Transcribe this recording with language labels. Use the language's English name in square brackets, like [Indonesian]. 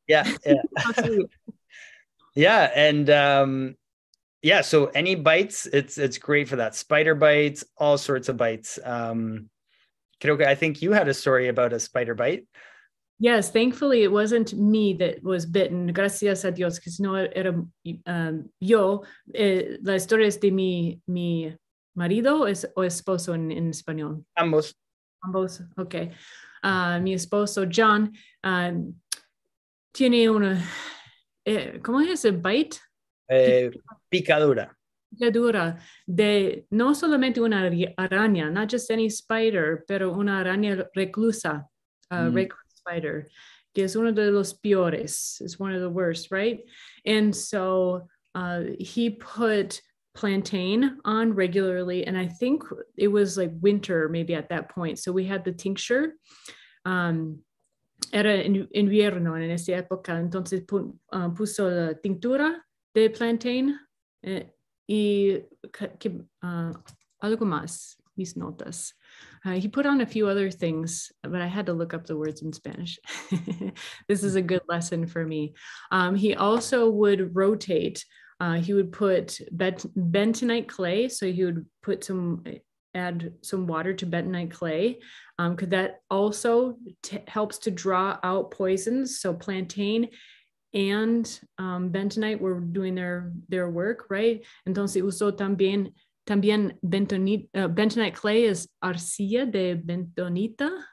[English] Yeah. Yeah. Yeah. And so any bites, it's great for that. Spider bites, all sorts of bites. I think you had a story about a spider bite. Yes, thankfully it wasn't me that was bitten. [Spanish] Gracias a Dios, que si no era yo. La historia es de mi marido o esposo en español. Ambos. Ambos, okay. Mi esposo, John, tiene una... ¿cómo es? [English] ¿A bite? [Spanish] Picadura. Picadura de no solamente una araña, [English] not just any spider, [Spanish] pero una araña reclusa, [English] recluse spider, [Spanish] que es uno de los peores, [English] it's one of the worst, right? And so he put plantain on regularly, and I think it was like winter maybe at that point. So we had the tincture. [Spanish] Era invierno en esa época, entonces puso la tintura de plantain. Algo más, mis notas. [English] He put on a few other things, but I had to look up the words in Spanish. This is a good lesson for me. He also would rotate. He would put bentonite clay. So he would add some water to bentonite clay. Because that also helps to draw out poisons. So plantain and bentonite were doing their work, right? [Spanish] Entonces usó también bentonite clay es arcilla de bentonita.